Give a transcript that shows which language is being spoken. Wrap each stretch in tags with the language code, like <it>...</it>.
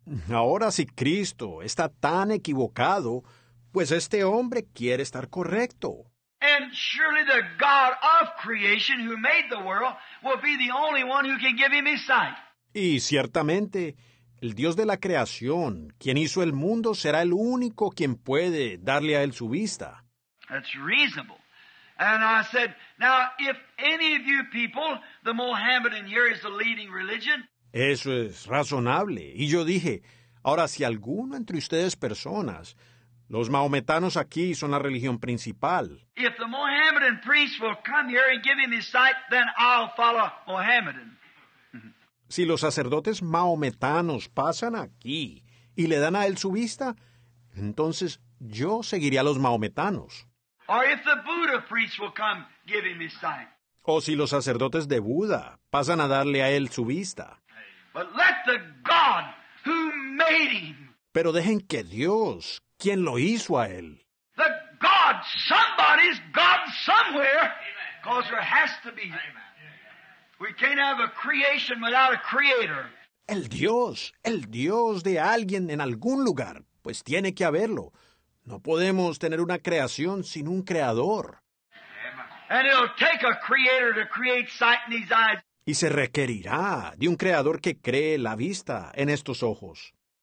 <es>Ahora, si Cristo está tan equivocado, pues este hombre quiere estar correcto.</es> <en>And surely the God of creation who made the world will be the only one who can give him his sight.</en> <es>Y ciertamente, el Dios de la creación, quien hizo el mundo, será el único quien puede darle a él su vista.</es> <en>That's reasonable. And I said, now, if any of you people, the Mohammedan here is the leading religion.</en> <es>Eso es razonable. Y yo dije, ahora, si alguno entre ustedes personas, los mahometanos aquí son la religión principal.</es> <en>If the Mohammedan priest will come here and give him his sight, then I'll follow Mohammedan.</en> <es>Si los sacerdotes mahometanos pasan aquí y le dan a él su vista, entonces yo seguiría a los mahometanos.</es> <en>Or if the Buddha priest will come give him his sight.</en> <es>O si los sacerdotes de Buda pasan a darle a él su vista.</es> <en>But let the God who made him,</en> <es>pero dejen que Dios, quien lo hizo a él,</es> <en>the God, somebody's God somewhere, because there has to be. We can't have a creation without a creator.</en> <es>El Dios de alguien en algún lugar, pues tiene que haberlo. No podemos tener una creación sin un creador.</es> <en>And it'll take a creator to create sight in these eyes.</en> <es>Y se requerirá de un creador que cree la vista en estos ojos.</es>